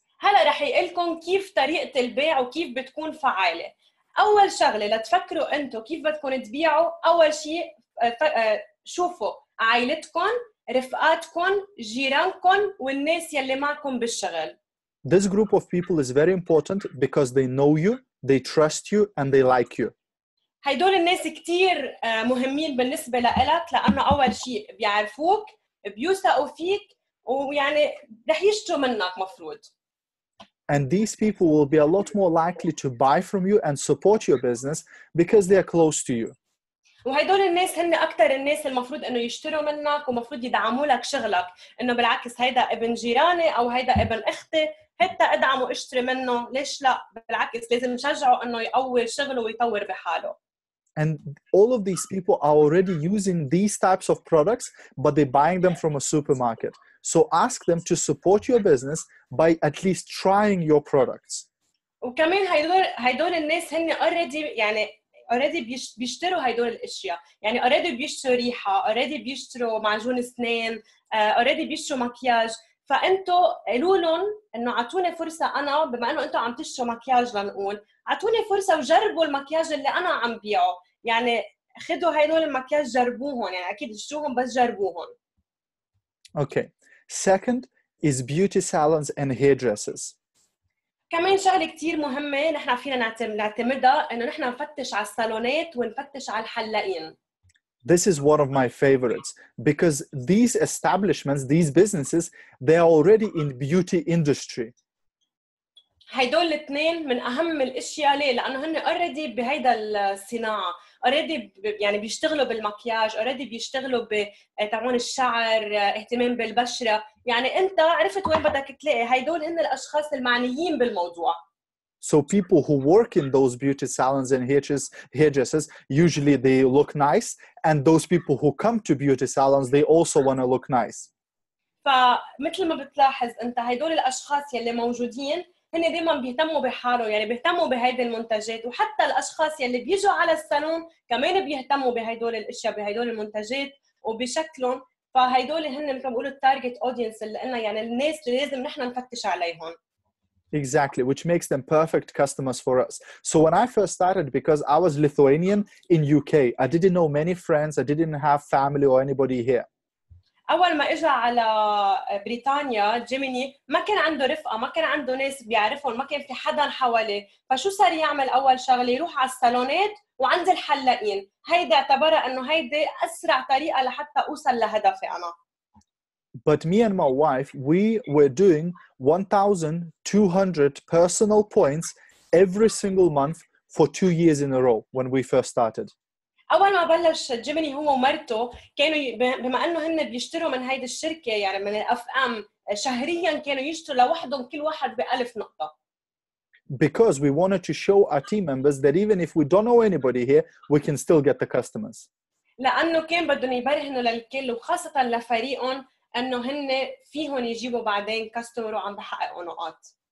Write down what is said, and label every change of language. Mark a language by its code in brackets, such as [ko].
[ar] هلا رح يقلكم كيف طريقة البيع وكيف بتكون فعالة. أول شغلة لتفكروا أنتو كيف بتكون تبيعوا، أول شيء شوفوا عائلتكم، رفقاتكم، جيرانكم، والناس يلي معكم بالشغل. [en] This group of people is very important because they know you, they trust you, and they like you. [ar] هيدول الناس كتير مهمين بالنسبة لإلك، لأنه أول شيء بيعرفوك، بيوثقوا فيك، ويعني رح يشتروا منك مفروض. [en] And these people will be a lot more likely to buy from you and support your business because they are close to you. [ar] وهيدول الناس هن أكتر الناس المفروض إنه يشتروا منك ومفروض يدعموا لك شغلك، إنه بالعكس هيدا ابن جيراني أو هيدا ابن أختي، حتى أدعمه أشتري منه، ليش لا؟ بالعكس لازم نشجعه إنه يقوي شغله ويطور بحاله. [en] And all of these people are already using these types of products, but they're buying them from a supermarket. So ask them to support your business by at least trying your products. [ar] وكمان هيدول الناس هن already يعني already بيشتروا هيدول الأشياء، يعني already بيشتروا ريحة، already بيشتروا معجون أسنان، already بيشتروا مكياج. فأنتوا قلولن إنه عطوني فرصة، أنا بما إنه أنتوا عم تشتروا مكياج لنقول، عطوني فرصة وجربوا المكياج اللي أنا عم بيعه. يعني خدوا هيدول المكياج جربوهن، يعني أكيد اشتروهم بس جربوهن. [en] Okay. Second is beauty salons and hairdressers. [ar] كمان شغلة كتير مهمة نحن فينا نعتمدها إنه نحن نفتش على الصالونات ونفتش على الحلاقين. [en] This is one of my favorites because these establishments, these businesses, they are already in beauty industry. [ar] هيدول الاثنين من أهم الأشياء، ليه؟ لأنه هن already بهيدا الصناعة، already يعني بيشتغلوا بالمكياج، already بيشتغلوا بتعون الشعر، اهتمام بالبشرة. يعني أنت عرفت وين بدك تلاقي، هيدول هن الأشخاص المعنيين بالموضوع. [en] So people who work in those beauty salons and hairdressers, usually they look nice. And those people who come to beauty salons, they also want to look nice. [ar] فمثل ما بتلاحظ انت هيدول الاشخاص يلي موجودين هن دايما بيهتموا بحالهم، يعني بيهتموا بهيدي المنتجات، وحتى الاشخاص يلي بيجوا على الصالون كمان بيهتموا بهيدول الاشياء، بهيدول المنتجات وبشكلهم. فهيدول هن مثل ما بقولوا التارجت اودينس اللي قلنا، يعني الناس اللي لازم نحن نفتش عليهم. [en] Exactly, which makes them perfect customers for us. So when I first started, because I was Lithuanian in UK, I didn't know many friends, I didn't have family or anybody here. [ar] أول ما إجا على بريطانيا جيميني ما كان عنده رفقة، ما كان عنده ناس بيعرفهم، ما كان في حدا حوالي. فشو صار يعمل أول شغلة؟ يروح على الصالونات وعند الحلاقين. هيدا اعتبره أنه هيدا أسرع طريقة لحتى أوصل لهدفي أنا. [en] But me and my wife, we were doing 1,200 personal points every single month for 2 years in a row when we first started. [ar] أول ما بلش جيميني هو ومرته كانوا بما أنه هن بيشتروا من هيدي الشركة، يعني من الأفئام، شهرياً كانوا يشتروا لوحدهم كل واحد بألف نقطة. [en] Because we wanted to show our team members that even if we don't know anybody here, we can still get the customers. [ar] لأنه كان بدهم يبرهنوا للكل وخاصة لفريقهم أنه هن فيهم يجيبوا بعدين كاستمر وعم بحققوا نقاط.